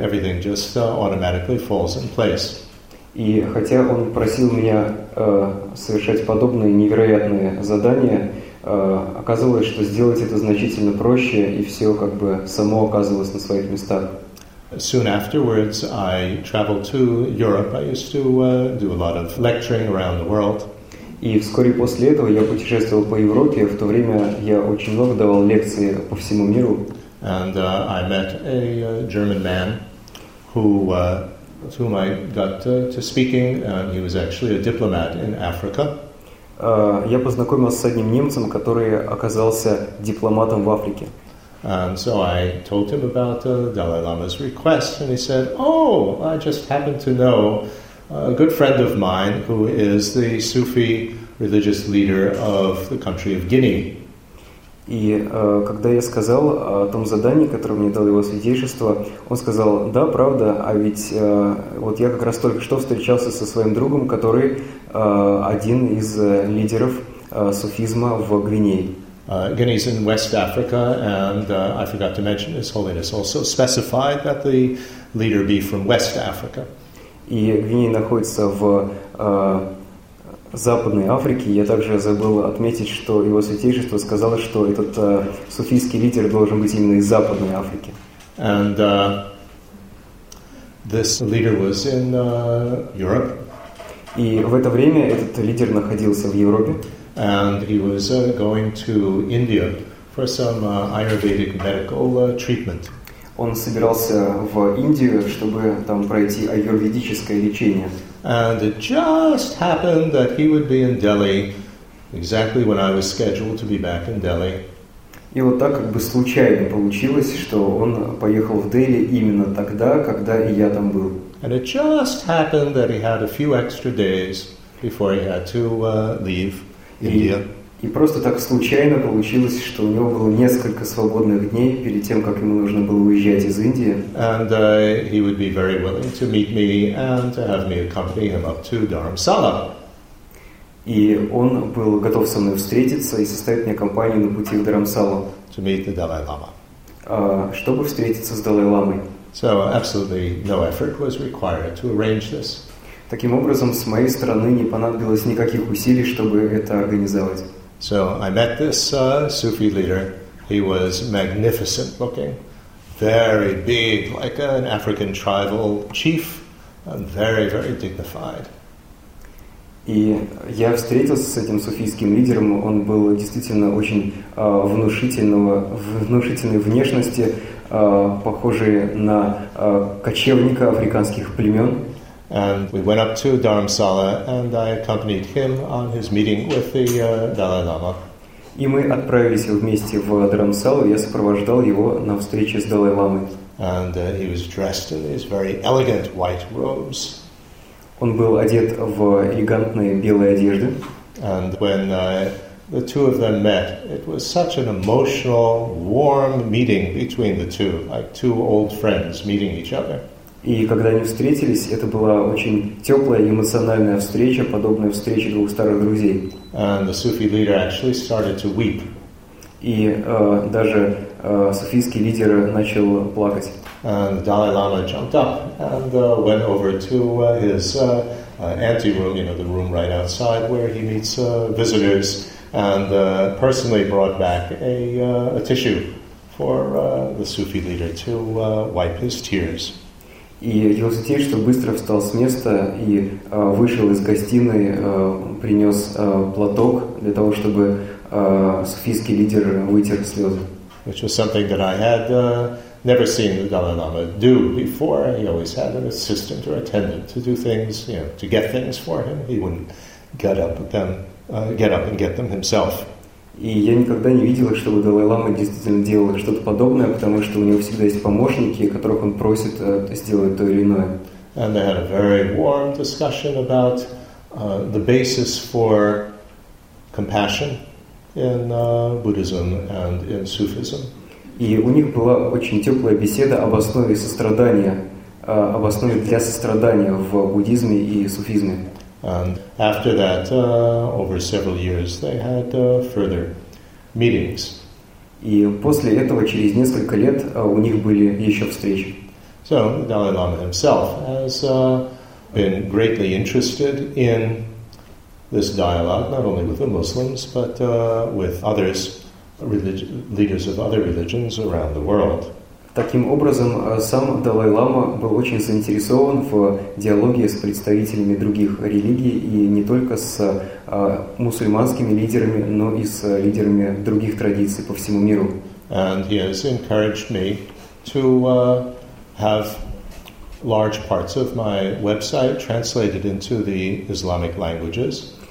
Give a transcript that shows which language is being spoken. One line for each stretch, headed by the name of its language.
English: Everything just automatically falls in place.
Russian: И хотя он просил меня совершать подобные невероятные задания, оказалось, что сделать это значительно проще, и все как бы само оказывалось на своих местах.
English: Soon afterwards, I traveled to Europe. I used to do a lot of lecturing around the world.
Russian: И вскоре после этого я путешествовал по Европе. В то время я очень много давал лекции по всему миру.
English: And I met a German man who... To whom I got to speaking, and he was actually a diplomat in Africa.
Russian: Я познакомился с одним немцем, который оказался дипломатом в Африке.
English: And so I told him about Dalai Lama's request, and he said, "Oh, I just happen to know a good friend of mine who is the Sufi religious leader of the country of Guinea."
Russian: И когда я сказал о том задании, которое мне дал его святейшество, он сказал, да, правда, а ведь вот я как раз только что встречался со своим другом, который один из лидеров суфизма в Гвинее.
English: Guinea's in West Africa, and I forgot to mention His Holiness also specified that the leader be from West Africa.
Russian: И Гвинея находится в Западной Африке. Я также забыл отметить, что его святейшество сказало, что этот суфийский лидер должен быть именно из Западной Африки.
English: And this leader was in Europe.
Russian: И в это время этот лидер находился в Европе.
English: And he was going to India for some Ayurvedic medical treatment.
Russian: Он собирался в Индию, чтобы там пройти аюрведическое лечение.
English: And it just happened that he would be in Delhi exactly when I was scheduled to be back in Delhi.
Russian: И вот так как бы случайно получилось, что он поехал в Дели именно тогда, когда и я там был.
English: And it just happened that he had a few extra days before he had to leave India.
Russian: И просто так случайно получилось, что у него было несколько свободных дней перед тем, как ему нужно было уезжать из Индии.
English: And he would be very willing to meet me and to have me accompany him up to Dharamsala.
Russian: И он был готов со мной встретиться и составить мне компанию на пути в Дарамсалу.
English: To meet the Dalai Lama.
Russian: Чтобы встретиться с Далай Ламой.
English: So absolutely no effort was required to arrange this.
Russian: Таким образом, с моей стороны не понадобилось никаких усилий, чтобы это организовать.
English: So I met this Sufi leader. He was magnificent looking, very big, like an African tribal chief, and very, very dignified.
Russian: И я встретился с этим суфийским лидером. Он был действительно очень внушительной внешности, похожий на кочевника африканских племен.
English: And we went up to Dharamsala, and I accompanied him on his meeting with the Dalai Lama.
Russian: И мы отправились вместе в Дарамсалу. Я сопровождал его на встрече с Далай Ламой.
English: And he was dressed in his very elegant white robes.
Russian: Он был одет в элегантные белые одежды.
English: And when the two of them met, it was such an emotional, warm meeting between the two, like two old friends meeting each other.
Russian: И когда они встретились, это была очень теплая эмоциональная встреча, подобная встрече двух старых друзей.
English: And the Sufi leader actually started to weep.
Russian: И даже суфийский лидер начал плакать.
English: And the Dalai Lama jumped up and went over to his anteroom, you know, the room right outside where he meets visitors, and personally brought back a tissue for the Sufi leader to wipe his tears.
Russian: И его святейшество быстро встал с места и вышел из гостиной, принес платок для того, чтобы суфийский лидер вытер слезы.
English: Which was something that I had never seen the Dalai Lama do before. He always had an assistant or attendant to do things, you know, to get things for him. He wouldn't get up and get them himself.
Russian: И я никогда не видел, чтобы Далай-лама действительно делал что-то подобное, потому что у него всегда есть помощники, которых он просит сделать то или иное.
English: And they had a very warm discussion about the basis for compassion in Buddhism and in Sufism.
Russian: И у них была очень теплая беседа об основе сострадания, об основе для сострадания в буддизме и суфизме.
English: And after that, over several years, they had further meetings.
Russian: И после этого, через несколько лет, у них были еще встречи.
English: So, Dalai Lama himself has been greatly interested in this dialogue, not only with the Muslims, but with others, leaders of other religions around the world.
Russian: Таким образом, сам Далай-Лама был очень заинтересован в диалоге с представителями других религий и не только с мусульманскими лидерами, но и с лидерами других традиций по всему миру.
English: And he has encouraged me to have large parts of my website translated into the Islamic languages.